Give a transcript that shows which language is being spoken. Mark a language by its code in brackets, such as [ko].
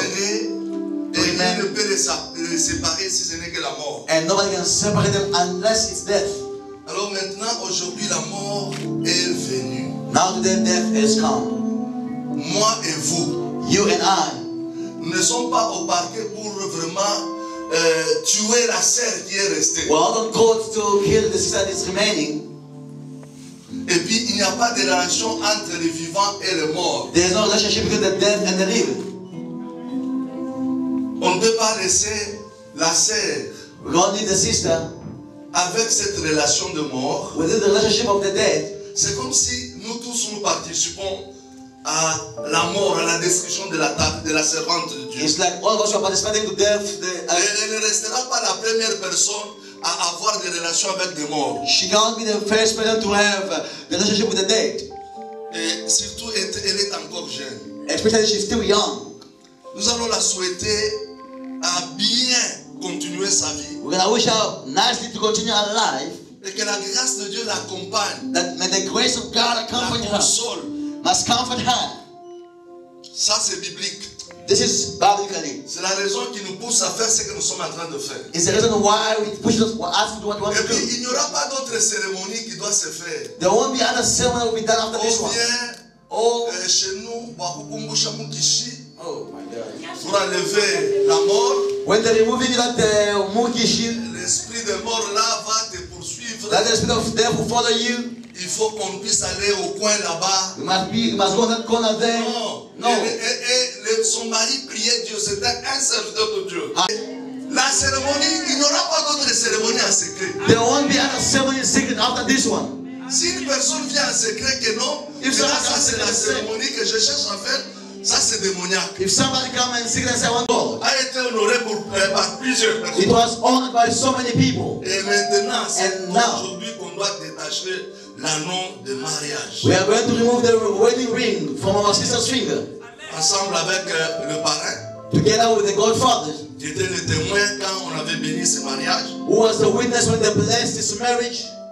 [fr] Rien ne peut les séparer si ce n'est que la mort. [en] And nobody can separate them unless it's death. [fr] Alors maintenant, aujourd'hui, la mort est venue. [en] Now today, death has come. [fr] Moi et vous, [en] you and I, [fr] nous ne sommes pas au parquet pour vraiment tuer la sœur qui est restée. [en] Well, I'm called to kill the sister that is remaining. [fr] Et puis il n'y a pas de relation entre les vivants et les morts. [en] There's no relationship between the dead and the living. [fr] On ne peut pas laisser la sœur. [en] We don't need the sister. [fr] Avec cette relation de mort. [en] Within the relationship of the dead. [fr] C'est comme si nous tous nous participons à la mort, à la destruction de la table de la servante de Dieu. [en] It's like all of us are participating to death. [fr] Elle ne restera pas la première personne à avoir des relations avec des morts. [en] She can't be the first person to have the relationship with the dead. [fr] Et surtout, elle est encore jeune. [en] Especially she's still young. [fr] Nous allons la souhaiter à bien continuer sa vie. [en] We're gonna wish her nicely to continue her life. [fr] Et que la grâce de Dieu l'accompagne. [en] That may the grace of God accompany her. Must comfort her. [fr] Ça c'est biblique. [en] This is biblically. [fr] C'est la raison qui nous pousse à faire ce que nous sommes en train de faire. [en] It's the reason why we push us to ask what we want to do. [fr] Et puis il n'y aura pas d'autre cérémonie qui doit se faire. [en] There won't be other ceremony that will be done after [fr] ou [en] this [fr] bien, [en] one. [fr] Chez nous, Pour enlever la mort. [en] When they're removing that Mukishin, [fr] l'esprit de mort là va te poursuivre. [en] That spirit of death will follow you. [fr] Il faut qu'on puisse aller au coin là-bas. [en] Must go that corner there. [fr] Non. Et son mari priait Dieu. C'était un serviteur de Dieu. La cérémonie, il n'y aura pas d'autre cérémonie en secret. [en] There won't be another ceremony in secret after this one. [fr] Si une personne vient en secret que non, là, ça c'est la cérémonie que je cherche à faire. Ça c'est démoniaque. [en] If somebody comes and secret, I want to go. [fr] A été honoré pour par plusieurs personnes. [en] It was honored by so many people. [fr] Et maintenant, c'est aujourd'hui qu'on doit détacher l'anneau de mariage. [en] We are going to remove the wedding ring from our sister's finger. [fr] Ensemble avec le parrain. [en] Together with the godfather. [fr] Qui était le témoin quand on avait béni ce mariage. [en] Who was the witness when they blessed this marriage?